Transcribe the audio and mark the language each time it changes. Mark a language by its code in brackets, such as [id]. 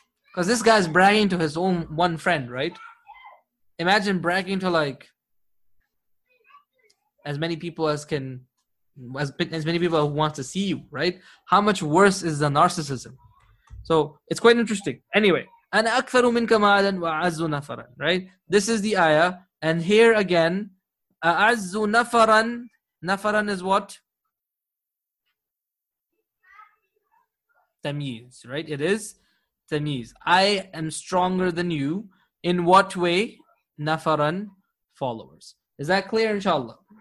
[en] Because this guy's bragging to his own one friend, right? Imagine bragging to like as many people who want to see you, right? How much worse is the narcissism? So it's quite interesting. Anyway, [ar] أنا أكثر منك مالا وأعز نفرا, right? [en] This is the ayah. And here again, [ar] أعز نفرا. [en] نفرا is what? Tamiz, right? It is Tamiz. I am stronger than you. In what way? نفرا, followers. Is that clear, inshallah?